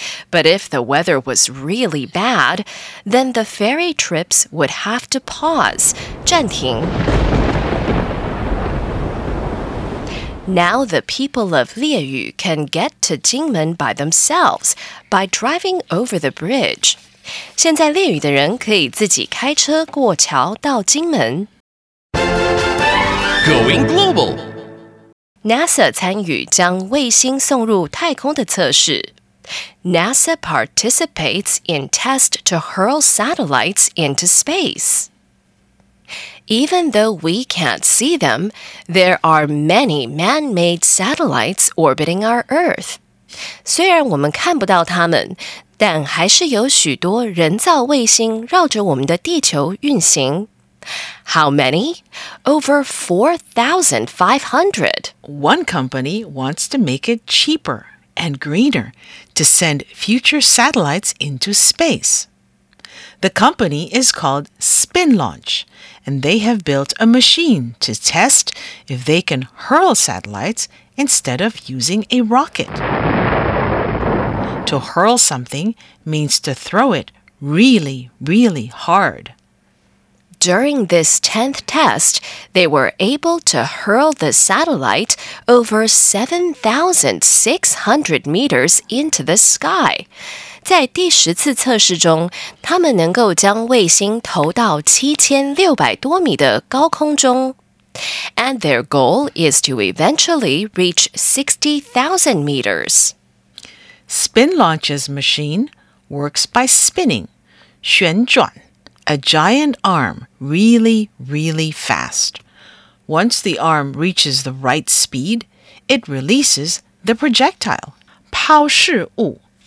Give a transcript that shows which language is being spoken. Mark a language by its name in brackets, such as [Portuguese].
[English] But if the weather was really bad, then the ferry trips would have to pause, 暂停. Now the people of Lieyu can get to Kinmen by themselves, by driving over the bridge. [Chinese] 现在烈屿的人可以自己开车过桥到金门。 [English] Going global! [Chinese] NASA 参与将卫星送入太空的测试。 [English] NASA participates in test to hurl satellites into space. Even though we can't see them, there are many man-made satellites orbiting our Earth. [Chinese] 虽然我们看不到它们，但还是有许多人造卫星绕着我们的地球运行。 [English] How many? Over 4,500. One company wants to make it cheaper and greener to send future satellites into space. The company is called SpinLaunch. And they have built a machine to test if they can hurl satellites instead of using a rocket. To hurl something means to throw it really, really hard. During this 10th test, they were able to hurl the satellite over 7,600 meters into the sky. [Chinese] 在第十次测试中，他们能够将卫星投到7600多米的高空中。 [English] And their goal is to eventually reach 60,000 meters. SpinLaunch's machine works by spinning, 旋转, a giant arm really, really fast. Once the arm reaches the right speed, it releases the projectile, 抛射物。